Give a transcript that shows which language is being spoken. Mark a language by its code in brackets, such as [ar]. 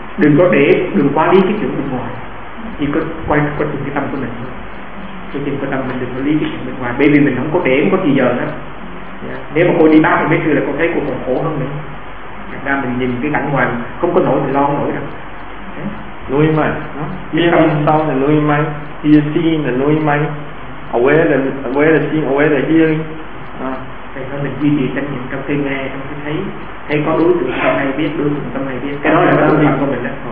[vi] Đừng có để, đừng quá lý cái chuyện bên ngoài. Chỉ có quay quan tâm cái tâm của mình. Cái chuyện quan tâm mình đừng có lý cái chuyện bên ngoài. Bởi vì mình không có để, không có thì giờ nữa. Nếu mà cô đi bác thì mấy thứ là cô thấy cô còn khổ hơn mình. Thật ra mình nhìn cái cảnh ngoài không có nổi thì lo nổi đâu. [en] Knowing mind, hearing the sound, the knowing mind, hear seeing, the knowing mind, aware the seeing, aware the hearing. [vi] Thầy nói mình duy trì trách nhiệm trong cái nghe, trong cái thấy, thấy có đối tượng trong này biết, đối tượng trong này biết. Cái đó là cái phần của mình đó.